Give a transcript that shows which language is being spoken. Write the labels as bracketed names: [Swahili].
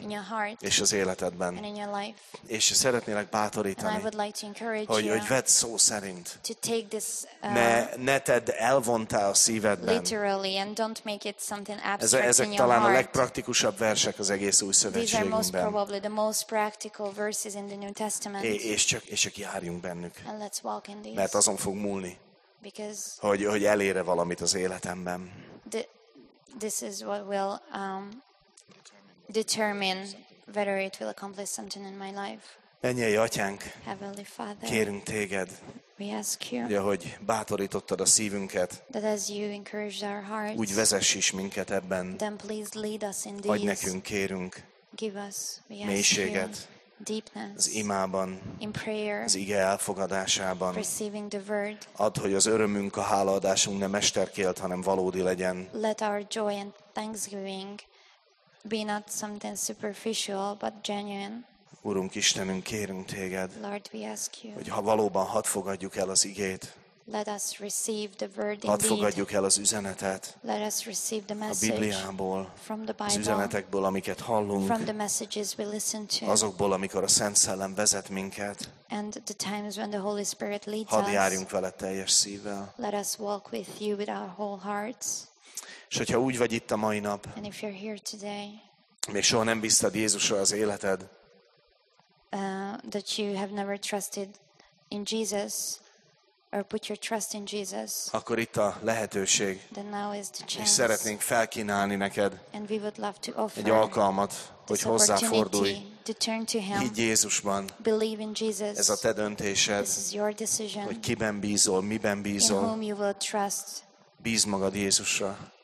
[English] in your heart [Hungarian] és az életedben. [English] And in your life. [Hungarian] És szeretnélek bátorítani, [English] and I would like to encourage [Hungarian] hogy vedd szó szerint. [English] To take this, [Hungarian] ne tedd elvontá a szívedben. [English] Literally, and don't make it something abstract [Hungarian] ezek [English] in your [Hungarian] talán [English] heart. [Hungarian] Talán a legpraktikusabb versek az egész új szövetségünkben. [English] These are most probably the most practical verses in the New Testament. [Hungarian] És csak járjunk bennük. [English] And let's walk in these. [Hungarian] Mert azon fog múlni, hogy elére valamit az életemben. [English] This is what will determine whether it will accomplish something in my life. [Hungarian] Mennyei Atyánk, [English] Heavenly Father, [Hungarian] kérünk téged, [English] we ask you, [Hungarian] ugye, hogy bátorítottad a szívünket, [English] that as you encouraged our hearts, [Hungarian] úgy vezess is minket ebben, [English] then please lead us in these, [Hungarian] adj nekünk, kérünk, [English] give us, we ask [Hungarian] mélységet, [English] you, deepness, [Hungarian] az imában, [English] in prayer, [Hungarian] az ige elfogadásában, [English] receiving the word, [Hungarian] add, hogy az örömünk, a hálaadásunk ne mesterkélt, hanem valódi legyen. [English] Let our joy and thanksgiving be not something superficial, but genuine. [Hungarian] Urunk Istenünk, kérünk téged, [English] Lord, we ask you, [Hungarian] hogy ha valóban hadd fogadjuk el az igét, [English] let us receive the word indeed. [Hungarian] Hadd fogadjuk el az üzenetet. [English] Let us receive the message. [Hungarian] A Bibliából, [English] from the Bible, [Hungarian] az üzenetekből, amiket hallunk. [English] From the messages we listen to. [Hungarian] Azokból, amikor a Szent Szellem vezet minket. [English] And the times when the Holy Spirit leads us. [Hungarian] Hadd járjunk vele teljes szívvel. [English] Let us walk with you with our whole hearts. [Hungarian] És hogyha úgy vagy itt a mai nap, [English] and if you're here today, [Hungarian] még soha nem bíztad Jézusra az életed, [English] that you have never trusted in Jesus, or put your trust in Jesus, [Hungarian] akkor itt a lehetőség. [English] Then now is the chance. [Hungarian] És szeretnénk felkínálni neked, [English] and we would love to offer, [Hungarian] egy alkalmat, hogy hozzáfordulj. [English] To turn to him. [Hungarian] Higgy Jézusban. [English] Believe in Jesus. [Hungarian] Ez a te döntésed. [English] This is your decision. [Hungarian] Hogy kiben bízol, miben bízol. [English] In whom you will trust. [Hungarian] Bízd magad Jézusra.